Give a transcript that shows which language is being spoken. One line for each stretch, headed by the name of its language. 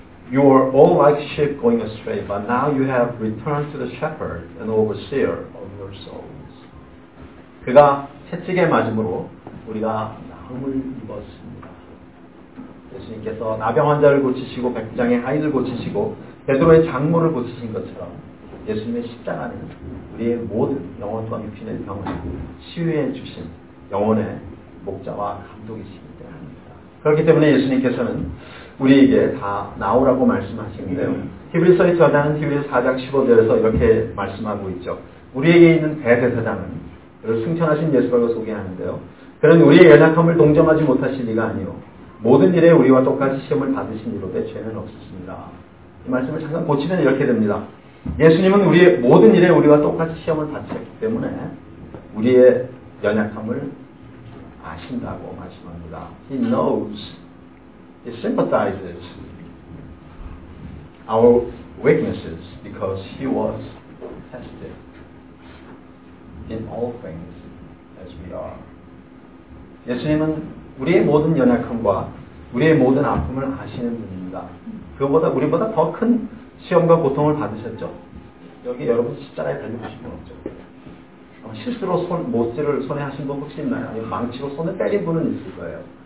English: You are all like sheep going astray, but now you have returned to the shepherd and overseer of your souls.
Korean: 그가 채찍에 맞음으로 우리가 나음을 입었습니다. 예수님께서 나병 환자를 고치시고 백부장의 아이를 고치시고 베드로의 장모를 고치신 것처럼 예수님의 십자가는 우리의 모든 영혼과 육신의 병을 치유해 주신 영혼의 목자와 감독이시기 때문입니다. 그렇기 때문에 예수님께서는 우리에게 다 나오라고 말씀하시는데요. 히브리서의 저자는 히브리서 4장 15절에서 이렇게 말씀하고 있죠. 우리에게 있는 대제사장은 그를 승천하신 예수라고 소개하는데요. 그는 우리의 연약함을 동정하지 못하신 이가 아니오. 모든 일에 우리와 똑같이 시험을 받으신 이로되 죄는 없으십니다. 이 말씀을 잠깐 고치면 이렇게 됩니다. 예수님은 우리의 모든 일에 우리와 똑같이 시험을 받으셨기 때문에 우리의 연약함을 아신다고 말씀합니다.
English: He knows. He sympathizes our weaknesses because he was tested in all things as we are.
Korean: 예수님은 우리의 모든 연약함과 우리의 모든 아픔을 아시는 분입니다. 그보다 우리보다 더 큰 시험과 고통을 받으셨죠? 여기 여러분 십자가에 달려 보신 분 없죠? 실수로 못질을 손에 하신 분 혹시 있나요? 아니면 망치로 손을 때린 분은 있을 거예요.